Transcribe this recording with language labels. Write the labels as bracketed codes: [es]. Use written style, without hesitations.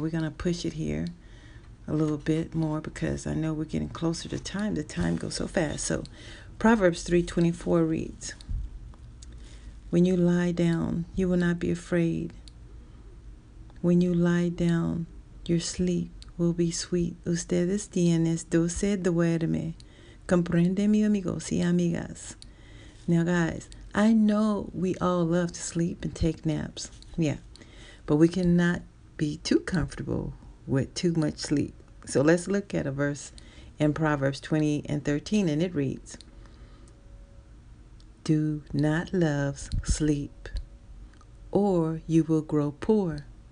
[en] We're going to push it here a little bit more because I know we're getting closer to time. The time goes so fast. So Proverbs 3:24 reads, "When you lie down, you will not be afraid. When you lie down, your sleep will be sweet. [es] Ustedes tienen dulce duerme. Comprende, mi amigos y amigas. [en] Now, guys, I know we all love to sleep and take naps. Yeah, but we cannot be too comfortable with too much sleep. So let's look at a verse in Proverbs 20 and 13, and it reads, "Do not love sleep, or you will grow poor.